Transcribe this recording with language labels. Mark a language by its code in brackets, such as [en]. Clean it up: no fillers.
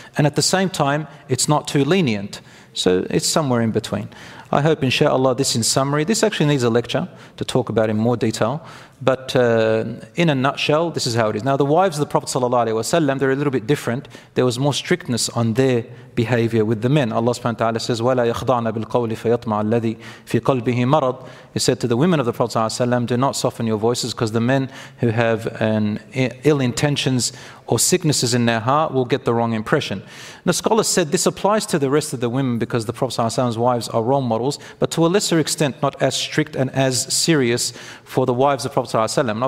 [en] And at the same time, it's not too lenient. So it's somewhere in between. I hope, inshallah, this in summary, this actually needs a lecture to talk about in more detail. But in a nutshell, this is how it is. Now, the wives of the Prophet sallallahu alaihi wasallam, they're a little bit different. There was more strictness on their behavior with the men. Allah subhanahu wa ta'ala says, [ar] وَلَا يَخْضَعْنَا بِالْقَوْلِ فَيَطْمَعَ الَّذِي فِي قَلْبِهِ مَرَضٍ. [en] He said to the women of the Prophet sallallahu alaihi wasallam, do not soften your voices, because the men who have ill intentions or sicknesses in their heart will get the wrong impression. The scholars said this applies to the rest of the women because the Prophet sallallahu alaihi wasallam's wives are role models, but to a lesser extent, not as strict and as serious for the wives of Prophet sallallahu alaihi wasallam.